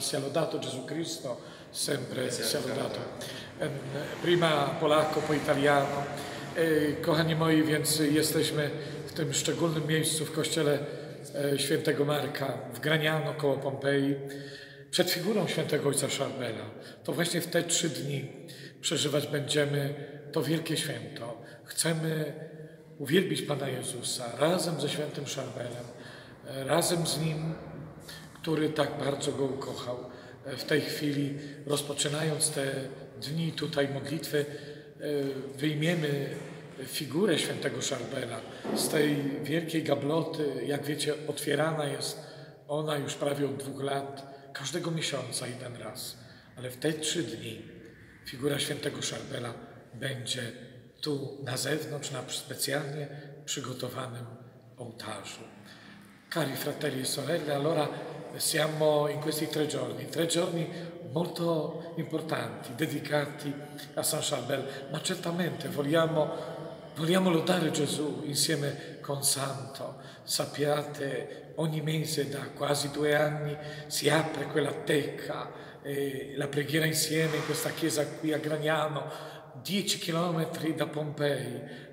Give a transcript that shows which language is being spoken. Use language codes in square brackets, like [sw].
[it] Salutato Gesù Cristo, sempre salutato. Prima Polako, po Italiano. [pl] Kochani moi, więc jesteśmy w tym szczególnym miejscu w kościele świętego Marka w Graniano koło Pompeji, przed figurą świętego ojca Szarbela. To właśnie w te trzy dni przeżywać będziemy to wielkie święto. Chcemy uwielbić Pana Jezusa razem ze świętym Szarbelem, razem z Nim, który tak bardzo Go ukochał. W tej chwili, rozpoczynając te dni tutaj modlitwy, wyjmiemy figurę świętego Szarbela z tej wielkiej gabloty. Jak wiecie, otwierana jest ona już prawie od 2 lat, każdego miesiąca jeden raz. Ale w te 3 dni figura świętego Szarbela będzie tu na zewnątrz, na specjalnie przygotowanym ołtarzu. [it] Cari fratelli e sorelle, allora siamo in questi 3 giorni. 3 giorni molto importanti, dedicati a San Charbel. Ma certamente vogliamo lodare Gesù insieme con Santo. Sappiate, ogni mese da quasi 2 anni si apre quella teca, la preghiera insieme in questa chiesa qui a Graniano, 10 chilometri da Pompei.